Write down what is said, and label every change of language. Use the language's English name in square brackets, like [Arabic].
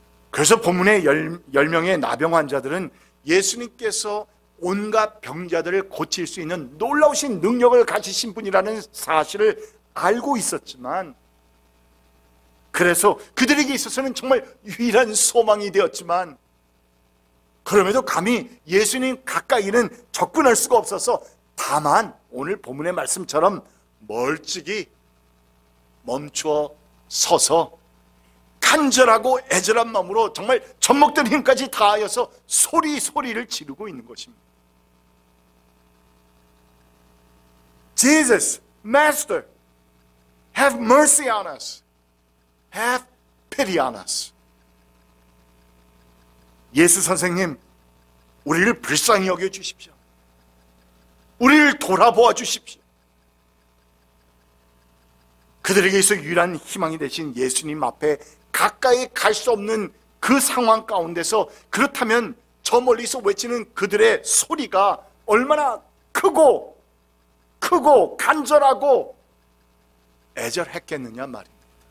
[Korean] 그래서 본문의 10명의 나병 환자들은 예수님께서 온갖 병자들을 고칠 수 있는 놀라우신 능력을 가지신 분이라는 사실을 알고 있었지만 그래서 그들에게 있어서는 정말 유일한 소망이 되었지만 그럼에도 감히 예수님 가까이는 접근할 수가 없어서 다만 오늘 본문의 말씀처럼 멀찍이 멈추어 서서 간절하고 애절한 마음으로 정말 젖먹던 힘까지 다하여서 소리소리를 지르고 있는 것입니다. [English] Jesus, Master, have mercy on us. Have pity on us. [Korean] 예수 선생님, 우리를 불쌍히 여겨주십시오. 우리를 돌아보아 주십시오. 그들에게서 유일한 희망이 되신 예수님 앞에 가까이 갈 수 없는 그 상황 가운데서 그렇다면 저 멀리서 외치는 그들의 소리가 얼마나 크고 간절하고 애절했겠느냐 말입니다.